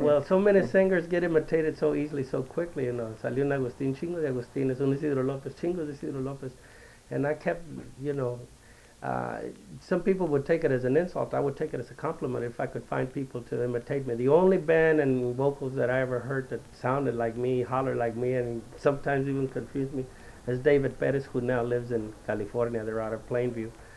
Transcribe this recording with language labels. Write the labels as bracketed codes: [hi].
[en] Well, so many singers get imitated so easily, so quickly, you know. [es] Salió un Agustín, chingo de Agustín, es un Isidro López, chingo de Isidro López. [en] And I kept, you know, some people would take it as an insult. I would take it as a compliment if I could find people to imitate me. The only band and vocals that I ever heard that sounded like me, hollered like me, and sometimes even confused me, is David Perez, who now lives in California. They're out of Plainview.